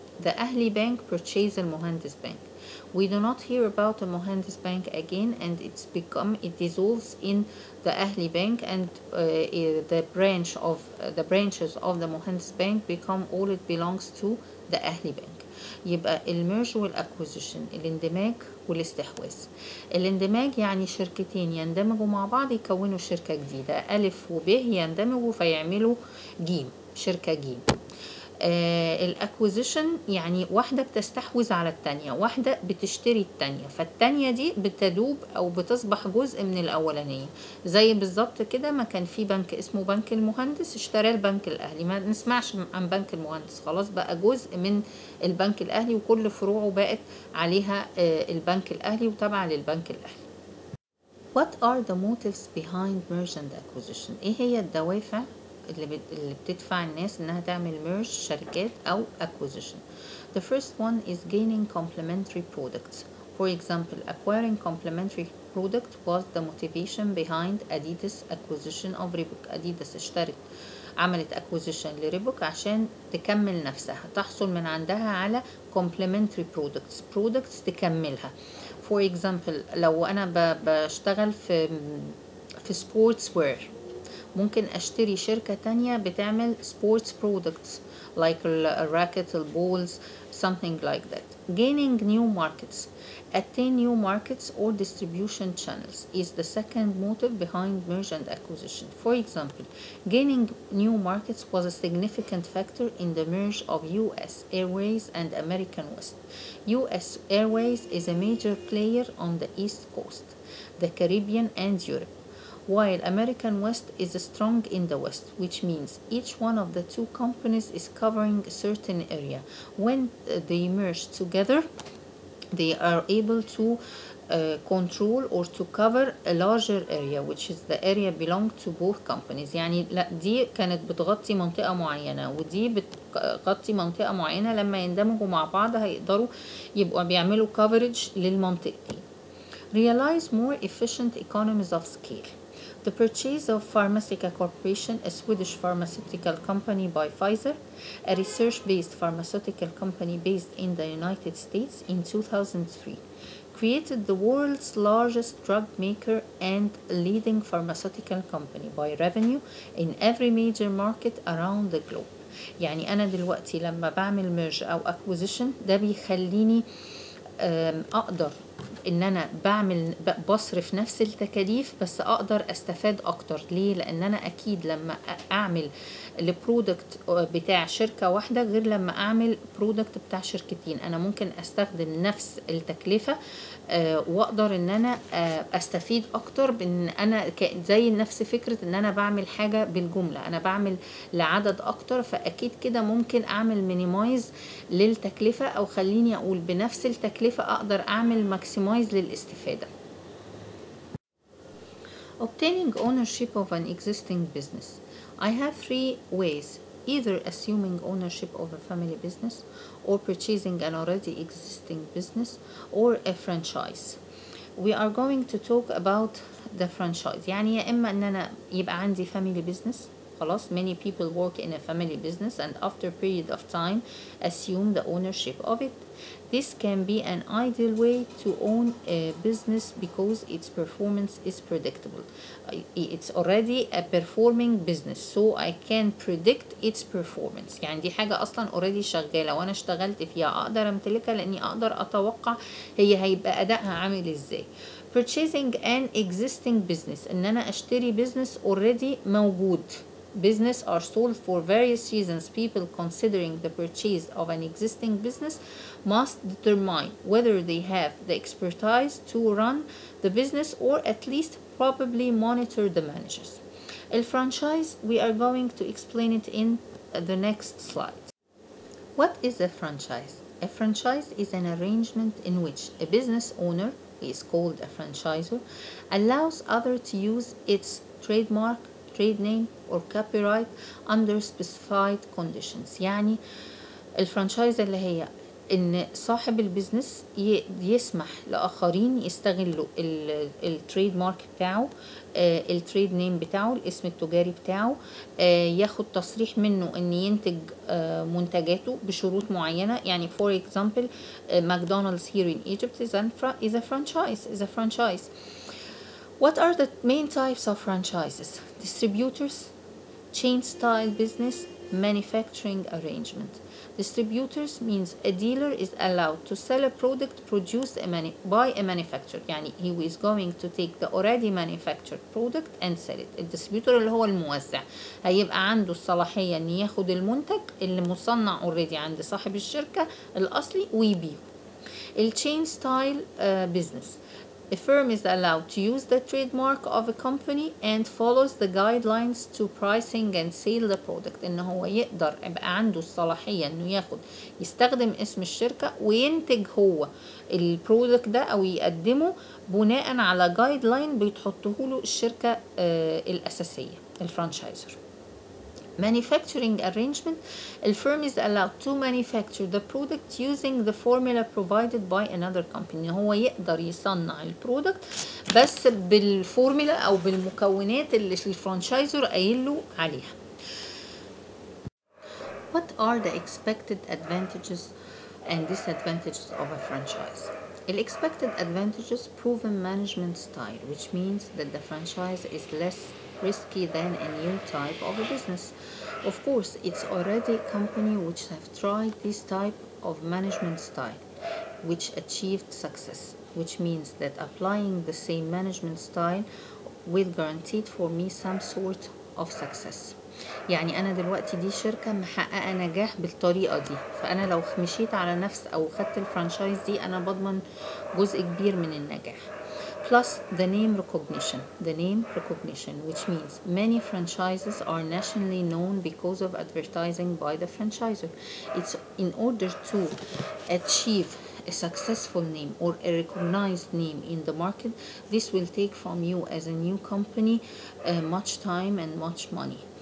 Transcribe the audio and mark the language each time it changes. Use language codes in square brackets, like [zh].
[en] The Ahli Bank purchased Al Mohandes Bank. We do not hear about the Mohandes Bank again, and it dissolves in the Ahli Bank, and the branches of the Mohandes Bank become all it belongs to the Ahli Bank. [ar] يبقى المرج والاكوزيشن الاندماج والاستحواذ. الاندماج يعني شركتين يندمجوا مع بعض يكونوا شركه جديده، الف وب يندمجوا فيعملوا جيم، شركه جيم. الاكوزيشن يعني واحده بتستحوذ على الثانيه، واحده بتشتري الثانيه، فالثانيه دي بتدوب او بتصبح جزء من الاولانيه، زي بالظبط كده ما كان في بنك اسمه بنك المهندس اشترى البنك الاهلي، ما نسمعش عن بنك المهندس، خلاص بقى جزء من البنك الاهلي وكل فروعه بقت عليها البنك الاهلي وتابع للبنك الاهلي. [en] What are the motives behind merge and acquisition؟ [ar] ايه هي الدوافع اللي بتدفع الناس انها تعمل merge شركات او acquisition؟ [en] The first one is gaining complementary products. For example, acquiring complementary product was the motivation behind Adidas acquisition of Reebok. [ar] Adidas اشترت عملت acquisition لريبوك عشان تكمل نفسها، تحصل من عندها على complementary products، products تكملها. [en] For example، [ar] لو انا بشتغل في [en] sports wear، [ar] ممكن اشتري شركة تانية بتعمل [en] sports products like racket, balls, something like that. Gaining new markets. Attain new markets or distribution channels is the second motive behind merge and acquisition. For example, gaining new markets was a significant factor in the merge of US Airways and American West. US Airways is a major player on the East Coast, the Caribbean and Europe, while American West is strong in the West, which means each one of the two companies is covering a certain area. When they merge together, they are able to control or to cover a larger area, which is the area belong to both companies. [ar] يعني دي كانت بتغطي منطقة معينة ودي بتغطي منطقة معينة، لما يندمجوا مع بعض هيقدروا يبقوا بيعملوا coverage للمنطقتين. [en] Realize more efficient economies of scale. The purchase of Pharmaceutical Corporation, a Swedish pharmaceutical company, by Pfizer, a research-based pharmaceutical company based in the United States, in 2003, created the world's largest drug maker and leading pharmaceutical company by revenue in every major market around the globe. [ar] يعني أنا دلوقتي لما بعمل merge أو acquisition ده بيخليني أقدر ان انا بعمل بصرف نفس التكاليف بس اقدر استفاد اكتر. ليه؟ لان انا اكيد لما اعمل البرودكت بتاع شركة واحدة غير لما اعمل برودكت بتاع شركتين، انا ممكن استخدم نفس التكلفة واقدر ان انا استفيد اكتر، بان انا زي نفس فكرة ان انا بعمل حاجة بالجملة، انا بعمل لعدد اكتر، فاكيد كده ممكن اعمل مينيمايز للتكلفة، او خليني اقول بنفس التكلفة اقدر اعمل ماكسمايز للاستفادة. [en] Obtaining ownership of an existing business. I have three ways: either assuming ownership of a family business, or purchasing an already existing business, or a franchise. We are going to talk about the franchise. [ar] يعني يا إما إن أنا يبقى عندي [en] family business [ar] خلاص. [en] Many people work in a family business and after a period of time assume the ownership of it. This can be an ideal way to own a business because its performance is predictable. It's already a performing business, so I can predict its performance. [ar] يعني دي حاجة أصلا already شغالة وأنا اشتغلت فيها أقدر أمتلكها لأني أقدر أتوقع هي هيبقى أداءها عامل إزاي. [en] Purchasing an existing business. [ar] إن أنا أشتري business already موجود. [en] Business are sold for various reasons. People considering the purchase of an existing business must determine whether they have the expertise to run the business or at least probably monitor the managers. El franchise, we are going to explain it in the next slide. What is a franchise? A franchise is an arrangement in which a business owner, he is called a franchisor, allows others to use its trademark, trade name or copyright under specified conditions. [ar] يعني الفرانشايز اللي هي ان صاحب البيزنس يسمح لاخرين يستغلوا التريد مارك بتاعه، التريد نيم بتاعه، الاسم التجاري بتاعه، ياخد تصريح منه ان ينتج منتجاته بشروط معينه. [en] يعني for example McDonald's here in Egypt is a franchise. What are the main types of franchises? Distributors, chain style business, manufacturing arrangement. Distributors means a dealer is allowed to sell a product produced by a manufacturer. يعني he is going to take the already manufactured product and sell it. [ar] الديستريبيوتور اللي هو الموزع هيبقى عنده الصلاحية ان ياخد المنتج اللي مصنع already عند صاحب الشركة الأصلي ويبيعه. [en] Chain style business. A firm is allowed to use the trademark of a company and follows the guidelines to pricing and sale the product. [ar] إن هو يقدر يبقى عنده الصلاحية إنه ياخد يستخدم اسم الشركة وينتج هو البرودكت ده أو يقدمه بناء على guideline بيتحطه له الشركة الأساسية الفرانشايزر. [en] Manufacturing arrangement. A firm is allowed to manufacture the product using the formula provided by another company. [ar] هو يقدر يصنع البرودكت بس بالفورمولا او بالمكونات اللي الفرانشايزر قايل له عليها. [en] What are the expected advantages and disadvantages of a franchise? The expected advantages: proven management style, which means that the franchise is less risky than a new type of a business. Of course, it's already a company which have tried this type of management style, which achieved success, which means that applying the same management style will guarantee for me some sort of success. [ar] يعني أنا دلوقتي دي شركة محققة نجاح بالطريقة دي، فأنا لو مشيت على نفس أو خدت الفرانشايز دي أنا بضمن جزء كبير من النجاح. [en] Plus the name recognition, which means many franchises are nationally known because of advertising by the franchisor. It's in order to achieve a successful name or a recognized name in the market, this will take from you as a new company much time and much money.